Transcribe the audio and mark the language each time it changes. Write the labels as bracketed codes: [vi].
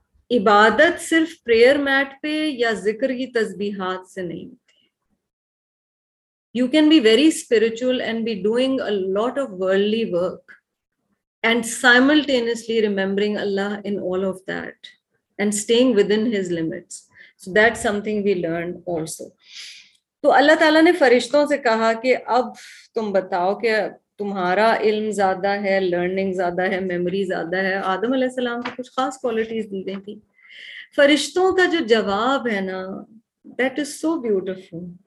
[ur] عبادت صرف prayer meat پہ یا ذکر کی تسبیحات سے نہیں. [en] You can be very spiritual and be doing a lot of worldly work and simultaneously remembering Allah in all of that and staying within His limits. So that's something we learned also. So Allah Ta'ala [ur] نے فرشتوں سے کہا کہ اب تم بتاؤ کہ تمہارا علم زیادہ ہے, learning زیادہ ہے, memory زیادہ ہے. آدم علیہ السلام کو کچھ خاص qualities دی گئی تھی. فرشتوں کا جو جواب ہے نا, [en] that is so beautiful.